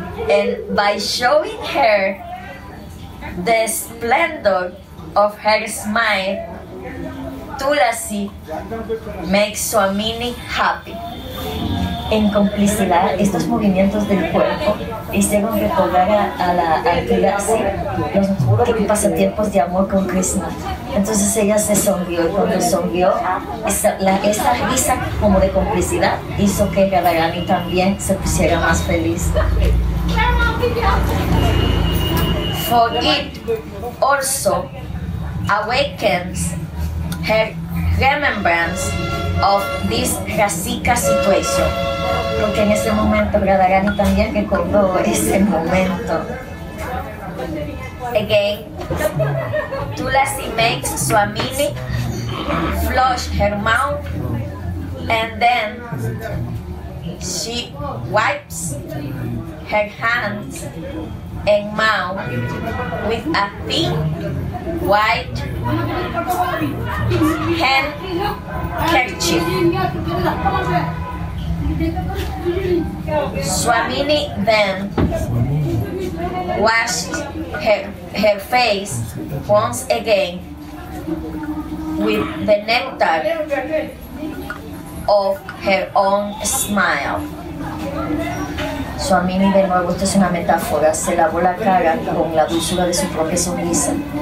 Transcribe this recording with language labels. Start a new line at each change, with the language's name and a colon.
English: And by showing her the splendor of her smile, Tulasi makes Suamini happy.
Spanish: En complicidad, estos movimientos del cuerpo hicieron recordar a Tulasi los pasatiempos de amor con Krishna. Entonces ella se sonrió y cuando sonrió, esa risa como de complicidad hizo que Radharani también se pusiera más feliz.
English: For it also awakens her remembrance of this Rasika situation.
Spanish: Porque en ese momento Radharani también recordó ese momento.
English: Again, Tulasi makes Swamini flush her mouth and then she wipes her hands and mouth with a thin white handkerchief. Swamini then washed her face once again with the nectar of her own smile.
Spanish: Swamini, de nuevo, esto es una metáfora, se lavó la cara con la dulzura de su propia sonrisa.